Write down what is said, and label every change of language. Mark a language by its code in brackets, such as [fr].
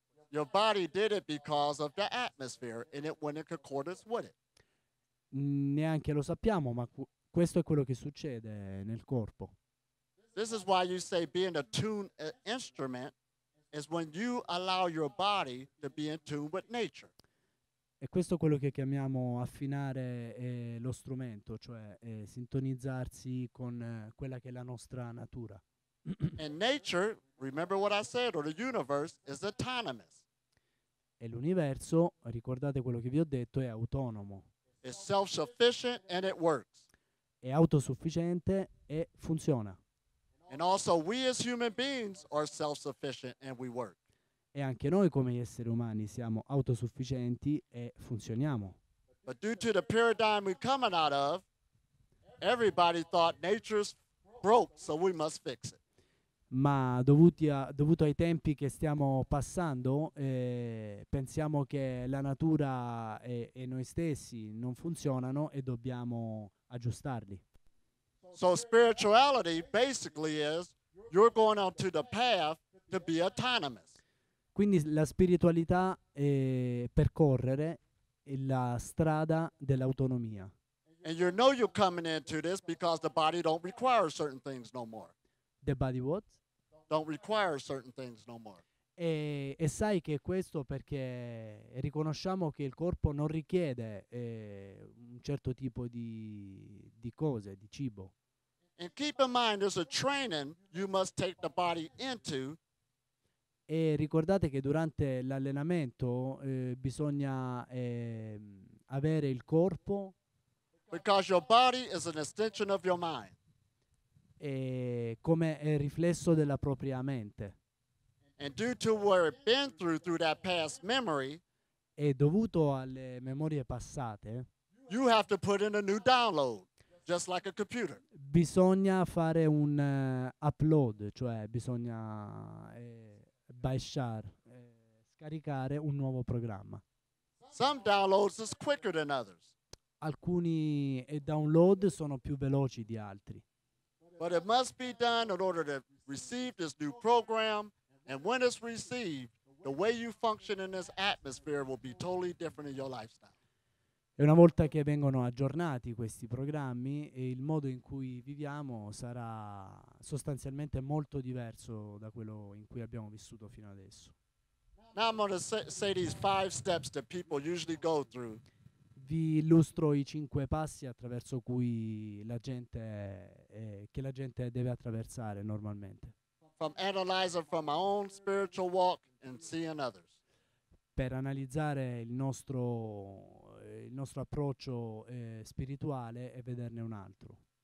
[en] Your body did it because of the atmosphere and it went in concordance with it. [it] Neanche lo sappiamo, ma questo è quello che succede nel corpo. [en] This is why you say being a tuned instrument is when you allow your body to be in tune with nature. [it] E questo è quello che chiamiamo affinare lo strumento, cioè sintonizzarsi con quella che è la nostra natura. [en] And nature, remember what I said, or the universe is autonomous. [it] E l'universo, ricordate quello che vi ho detto, è autonomo. [en] It's self-sufficient and it works. [it] È autosufficiente e funziona. [en] And also we as human beings are self-sufficient and we work. [it] E anche noi come gli esseri umani siamo autosufficienti e funzioniamo. [en] But due to the paradigm we're coming out of, everybody thought nature's broke, so we must fix it. [it] Ma dovuto ai tempi che stiamo passando, pensiamo che la natura e noi stessi non funzionano e dobbiamo aggiustarli. [en] So spirituality basically is you're going onto the path to be autonomous. [it] Quindi la spiritualità è percorrere la strada dell'autonomia. [en] And you know you're coming into this because the body don't require certain things no more. The body what? Don't require certain things no more. [it] E sai che questo perché riconosciamo che il corpo non richiede un certo tipo di cose, di cibo. [en] And keep in mind there's a training you must take the body into. [it] E ricordate che durante l'allenamento bisogna avere il corpo. [en] Because your body is an extension of your mind. [it] E come il riflesso della propria mente. [en] And due to where it been through that past memory, [it] e dovuto alle memorie passate, [en] you have to put in a new download, just like a computer. [it] Bisogna fare un upload, cioè bisogna scaricare un nuovo programma. [en] Some downloads is quicker than others. [it] Alcuni download sono più veloci di altri. [en] But it must be done in order to receive this new program. And when it's received, the way you function in this atmosphere will be totally different in your lifestyle. [it] E una volta che vengono aggiornati questi programmi, il modo in cui viviamo sarà sostanzialmente molto diverso da quello in cui abbiamo vissuto fino adesso. [en] Now I'm going to say these five steps that people usually go through. [it] vi illustro i cinque passi attraverso cui la gente che la gente deve attraversare normalmente. [en] From analyzing from my own spiritual walk and seeing others. [it] Per analizzare il nostro approccio spirituale e vederne un altro.